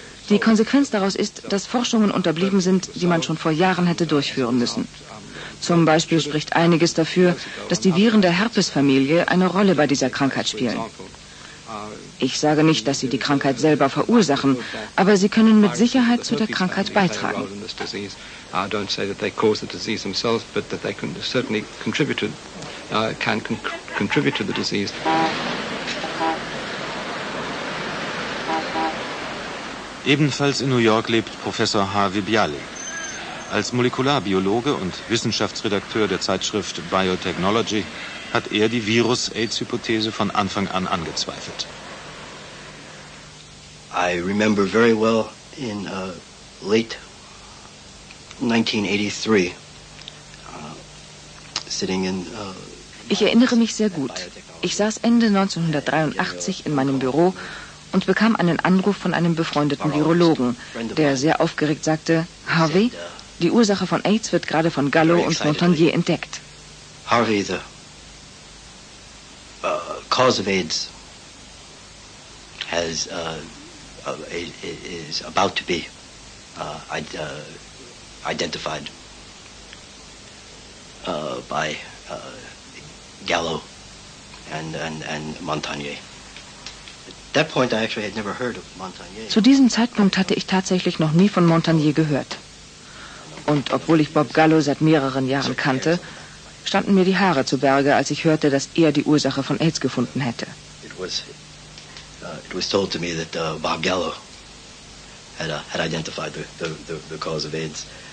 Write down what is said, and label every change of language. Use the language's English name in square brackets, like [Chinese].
[German] Die Konsequenz daraus ist, dass Forschungen unterblieben sind, die man schon vor Jahren hätte durchführen müssen. Zum Beispiel spricht einiges dafür, dass die Viren der Herpesfamilie eine Rolle bei dieser Krankheit spielen. Ich sage nicht, dass sie die Krankheit selber verursachen, aber sie können mit Sicherheit zu der Krankheit beitragen. [English] I don't say that they cause the disease themselves, but that they can certainly contribute to the disease. [German] Ebenfalls in New York lebt Professor Harvey Bialy. Als Molekularbiologe und Wissenschaftsredakteur der Zeitschrift Biotechnology hat er die Virus-AIDS-Hypothese von Anfang an angezweifelt. [English] I remember very well in late 1983, sitting in... [German] Ich erinnere mich sehr gut. Ich saß Ende 1983 in meinem Büro und bekam einen Anruf von einem befreundeten Virologen, der sehr aufgeregt sagte, Harvey, die Ursache von AIDS wird gerade von Gallo und Montagnier entdeckt. [English] Harvey, the cause of AIDS has is about to be identified by Gallo and Montagnier. At that point, I actually had never heard of Montagnier. [German] Zu diesem Zeitpunkt hatte ich tatsächlich noch nie von Montagnier gehört. Und obwohl ich Bob Gallo seit mehreren Jahren kannte, standen mir die Haare zu Berge, als ich hörte, dass er die Ursache von AIDS gefunden hätte. [English] It was told to me that Bob Gallo had identified the cause of AIDS.